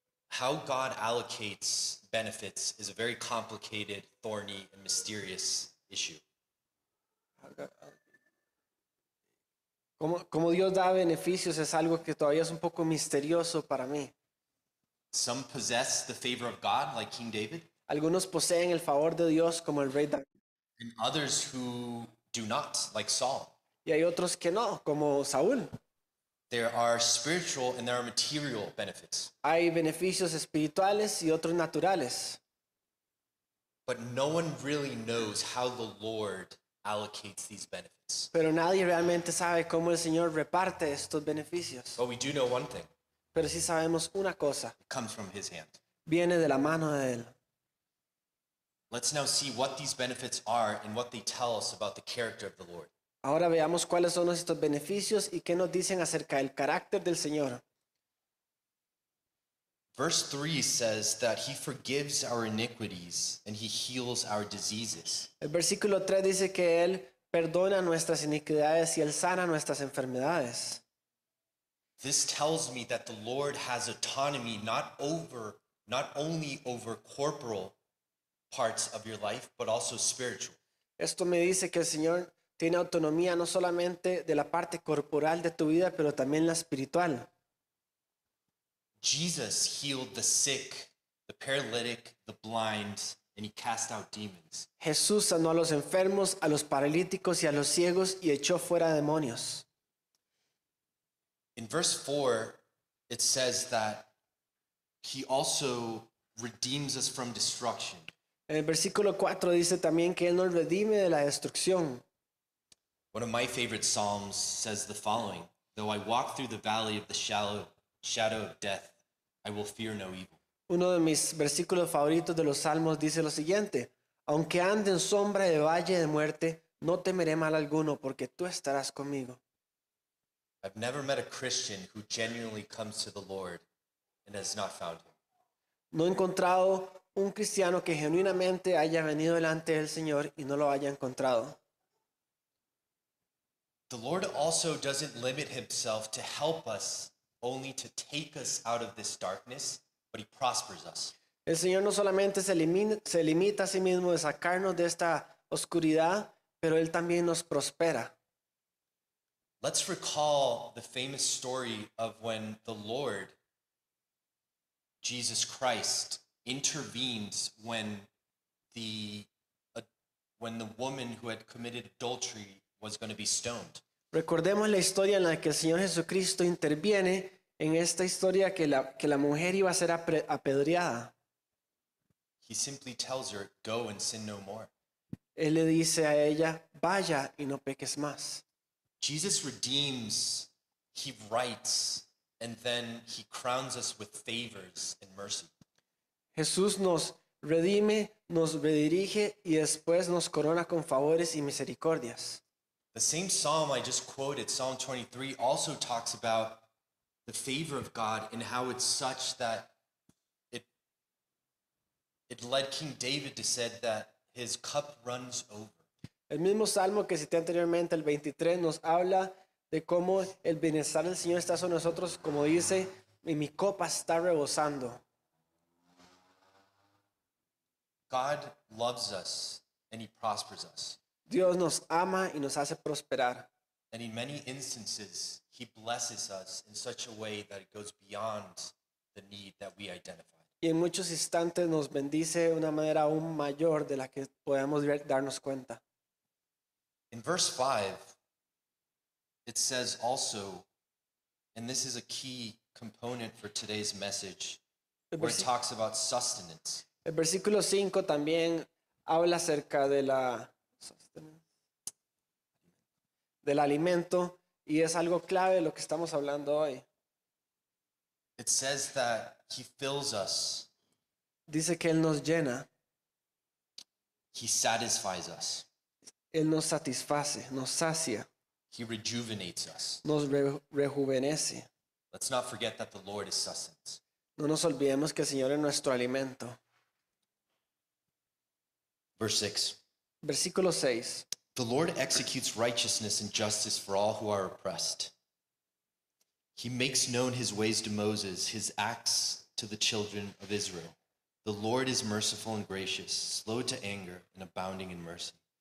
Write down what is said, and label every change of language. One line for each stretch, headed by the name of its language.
English: How God allocates benefits is a very complicated, thorny, and mysterious issue.
Spanish: Como Dios da beneficios es algo que todavía es un poco misterioso para mí.
English: Some possess the favor of God, like King David.
Spanish: Algunos poseen el favor de Dios como el rey David.
English: And others who do not, like Saul.
Spanish: Y hay otros que no, como Saúl.
English: There are spiritual and there are material benefits.
Spanish: Hay beneficios espirituales y otros naturales.
English: But no one really knows how the Lord allocates these benefits.
Spanish: Pero nadie realmente sabe cómo el Señor reparte estos beneficios.
English: But we do know one thing.
Spanish: Pero sí sabemos una cosa.
English: It comes from his hand.
Spanish: Viene de la mano de él.
English: Let's now see what these benefits are and what they tell us about the character of the Lord.
Spanish: Ahora veamos cuáles son estos beneficios y qué nos dicen acerca del carácter del Señor.
English: Verse 3 says that he forgives our iniquities and he heals our diseases.
Spanish: El versículo 3 dice que él perdona nuestras iniquidades y él sana nuestras enfermedades.
English: This tells me that the Lord has autonomy not only over corporal parts of your life but also spiritual.
Spanish: Esto me dice que el Señor tiene autonomía no solamente de la parte corporal de tu vida, pero también la espiritual.
English: Jesus healed the sick, the paralytic, the blind, and he cast out demons.
Spanish: Jesús sanó a los enfermos, a los paralíticos y a los ciegos y echó fuera demonios.
English: In verse 4, it says that he also redeems us from destruction.
Spanish: En el versículo 4 dice también que él nos redime de la destrucción.
English: One of my favorite psalms says the following: Though I walk through the valley of the shadow of death, I will fear no evil.
Spanish: Uno de mis versículos favoritos de los salmos dice lo siguiente: Aunque ande en sombra de valle de muerte, no temeré mal alguno, porque tú estarás conmigo.
English: I've never met a Christian who genuinely comes to the Lord and has not found him.
Spanish: No he encontrado un cristiano que genuinamente haya venido delante del Señor y no lo haya encontrado.
English: The Lord also doesn't limit himself to help us only to take us out of this darkness, but he prospers us.
Spanish: El Señor no solamente se limita a sí mismo de sacarnos de esta oscuridad, pero él también nos prospera.
English: Let's recall the famous story of when the Lord Jesus Christ intervenes when the woman who had committed adultery was going to be stoned.
Spanish: Recordemos la historia en la que el Señor Jesucristo interviene en esta historia que la mujer iba a ser apedreada.
English: He simply tells her, "Go and sin no more."
Spanish: Él le dice a ella, "Vaya y no peques más."
English: Jesus redeems, he rights, and then he crowns us with favors and mercy.
Spanish: Jesús nos redime, nos redirige y después nos corona con favores y misericordias.
English: The same psalm I just quoted, Psalm 23, also talks about the favor of God and how it's such that it led King David to say that his cup runs over.
Spanish: El mismo salmo que cité anteriormente, el 23, nos habla de cómo el bienestar del Señor está sobre nosotros, como dice, y mi copa está rebosando.
English: God loves us and he prospers us.
Spanish: Dios nos ama y nos hace prosperar.
English: And in many instances, he blesses us in such a way that it goes beyond the need that we identify.
Spanish: Y en muchos instantes nos bendice de una manera aún mayor de la que podemos darnos cuenta.
English: In verse 5, it says also, and this is a key component for today's message, where it talks about sustenance.
Spanish: El versículo 5 también habla acerca de la... del alimento, y es algo clave de lo que estamos hablando hoy.
English: It says that he fills us.
Spanish: Dice que él nos llena.
English: He satisfies us.
Spanish: Él nos satisface, nos sacia.
English: He rejuvenates us.
Spanish: Nos rejuvenece.
English: Let's not forget that the Lord is sustenance.
Spanish: No nos olvidemos que el Señor es nuestro alimento.
English: Verse 6.
Spanish: Versículo 6.
English: The Lord executes righteousness and justice for all who are oppressed. He makes known his ways to Moses, his acts to the children of Israel. The Lord is merciful and gracious, slow to anger and abounding in mercy.